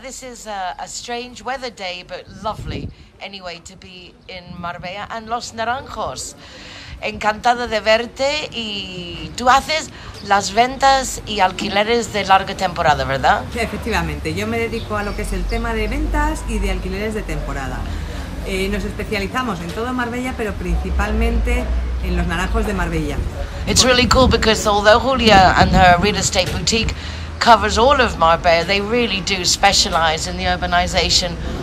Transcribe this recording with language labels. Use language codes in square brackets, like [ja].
[en] This is a strange weather day, but lovely anyway to be in Marbella and Los Naranjos. [es] Encantada de verte, y tú haces las ventas y alquileres de larga temporada, ¿verdad? Sí, efectivamente, yo me dedico a lo que es el tema de ventas y de alquileres de temporada. Nos especializamos en todo Marbella, pero principalmente en Los Naranjos de Marbella. [en] It's really cool because although Julia and her real estate boutique covers all of Marbella, they really do specialize in the urbanization.